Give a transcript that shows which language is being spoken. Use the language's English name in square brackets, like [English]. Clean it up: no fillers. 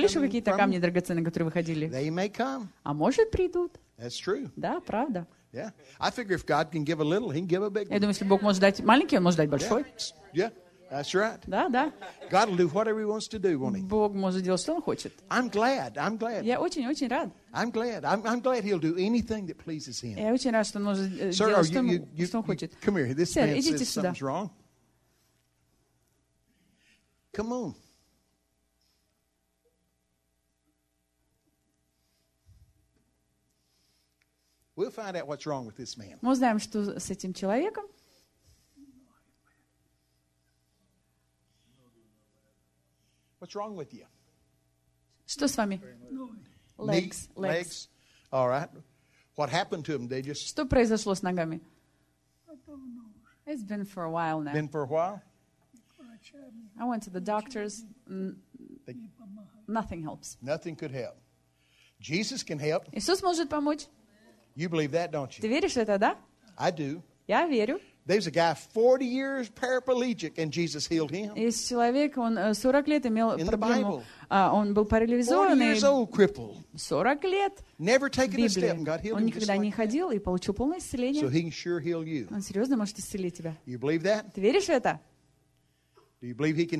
[Russian] Были еще какие-то камни драгоценные, которые выходили? [English] They may come. [Russian] А может, придут. [English] That's true. [Russian] Да, правда. [English] Yeah. I figure if God can give a little, he can give a big one. [Russian] Я думаю, если Бог может дать маленький, он может дать большой. [English] Yeah. That's right. [Russian] Да, да. [English] God will do whatever He wants to do, won't He? [Russian] Бог может делать, что Он хочет. [English] I'm glad. I'm glad. [Russian] Я очень-очень рад. [English] I'm glad. I'm glad He'll do anything that pleases Him. [Russian] Я очень рад, что Он может [English] Sir, [Russian] делать, что, you, что Он хочет. [English] You, come here. This [Russian] Сэр, [English] man says [Russian] сюда. [English] Something's wrong. Come on. We'll find out what's wrong with this man. [Russian] Мы узнаем, что с этим человеком. [English] What's wrong with you? [Russian] Что с вами? [English] Legs. Legs. All right. What happened to him? They just. [Russian] Что произошло с ногами? [English] I don't know. It's been for a while now. Been for a while? I went to the doctors. Nothing helps. Nothing could help. Jesus can help. [Russian] Иисус может помочь. [English] You believe that, don't you? [Russian] Ты веришь в это, да? [English] I do. [Russian] Я верю. [English] There's a guy 40 years paraplegic and Jesus healed him. [Russian] Есть человек, он 40 лет имел проблему. Он был парализован. 40 лет. [English] Never taken a step and got healed. [Russian] Он никогда не ходил и получил полное исцеление. [English] So he can sure heal you. [Russian] Он серьезно может исцелить тебя. [English] You believe that? [Russian] Ты веришь в это? [English] Do you believe he can